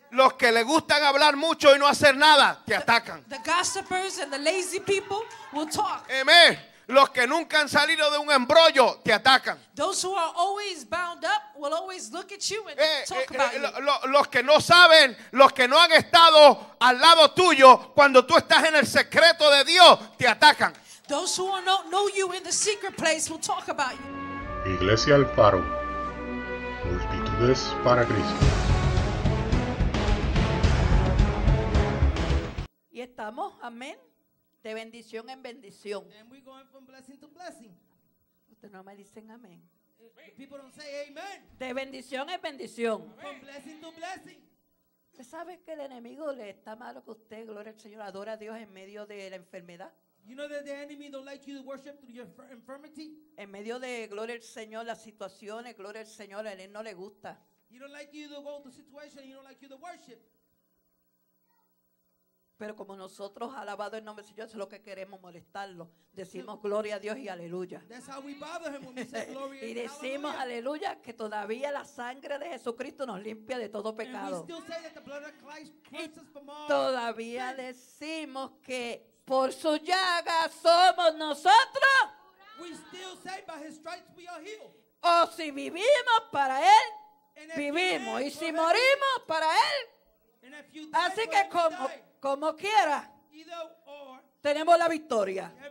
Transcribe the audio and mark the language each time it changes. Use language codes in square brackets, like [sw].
[es] Los que le gustan hablar mucho y no hacer nada te atacan. [en] The gossipers and the lazy people will talk. [es] Amen. Los que nunca han salido de un embrollo te atacan. [en] Those who are always bound up will always look at you and talk about you. [es] Los que no saben, los que no han estado al lado tuyo cuando tú estás en el secreto de Dios te atacan. [en] Those who don't know you in the secret place will talk about you. [es] Iglesia El Faro, multitudes para Cristo. Y estamos, amén, de bendición en bendición. [en] And we're going from blessing to blessing. [es] Ustedes no me dicen amén. [en] People don't say amen. [es] De bendición en bendición. [en] From blessing to blessing. [es] ¿Usted sabe que el enemigo le está malo que usted, gloria al Señor, adora a Dios en medio de la enfermedad? [en] You know that the enemy don't like you to worship through your infirmity. [es] En medio de gloria al Señor, las situaciones, gloria al Señor, a él no le gusta. [en] He don't like you to go to situation. He don't like you to worship. [es] Pero como nosotros alabado el nombre del Señor, eso es lo que queremos molestarlo. Decimos gloria a Dios y aleluya. [en] That's how we bother him when we say glory and [es] y decimos aleluya que todavía la sangre de Jesucristo nos limpia de todo pecado. [en] And we still say that the blood of Christ cleanses us from all. [es] Todavía decimos que por su llaga somos nosotros. [en] We still say by his stripes we are healed. [es] O si vivimos para él, vivimos. Y si morimos para él, así que como quiera, tenemos la victoria.